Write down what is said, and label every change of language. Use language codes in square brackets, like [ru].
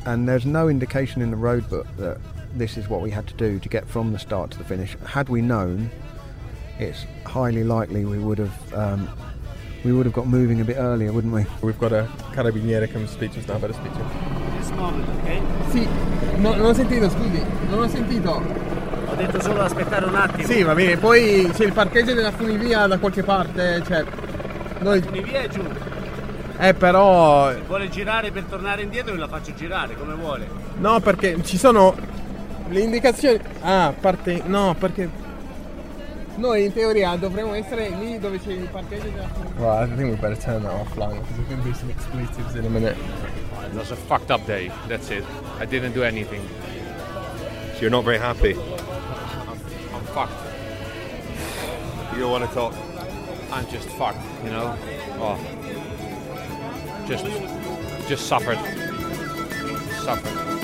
[en] And there's no indication in the road book that this is what we had to do to get from the start to the finish. Had we known, it's highly likely we would have got moving a bit earlier, wouldn't we? We've got a carabiniere come speak to us now. Better speak to him. This moment, okay? [it] Sì. No, non ho sentito, scusi. Non ho sentito. Ho detto solo aspettare un attimo. Sì, va bene. Poi c'è il parcheggio della funivia da qualche parte, cioè... Noi... La funivia è giù. Però... Se vuole girare per tornare indietro, io la faccio girare, come vuole. No, perché ci sono le indicazioni... Ah, parte... No, perché... Noi in teoria dovremmo essere lì dove c'è il parcheggio della... [en] Well, I think we better turn that offline because there's going to be some expletives in a minute. That's a fucked up day, that's it. I didn't do anything. So you're not very happy? I'm fucked. You don't want to talk? I'm just fucked, you know? Oh. Just suffered. Suffered.